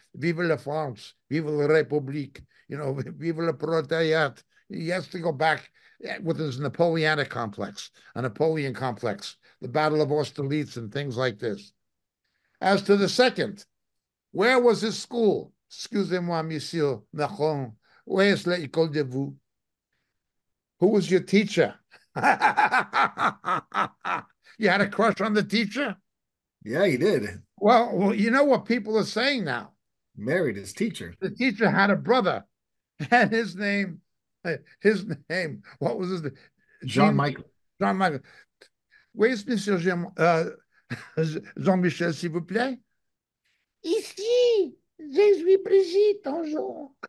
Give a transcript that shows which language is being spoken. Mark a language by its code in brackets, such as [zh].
[fr] Vive la France, vive la République, [en] you know, [fr] vive le proletariat. [en] He has to go back with his Napoleonic complex, a Napoleon complex, the Battle of Austerlitz and things like this. As to the second, where was his school? [fr] Excusez-moi, Monsieur Macron, [en] where is [fr] l'école de vous? [en] Who was your teacher? You had a crush on the teacher? Yeah, he did. Well, you know what people are saying now? Married his teacher. The teacher had a brother, and his name, what was his name? Jean-Michel. Where is [fr] Monsieur Jean-Michel, s'il vous plaît? Ici, je suis Brigitte, bonjour.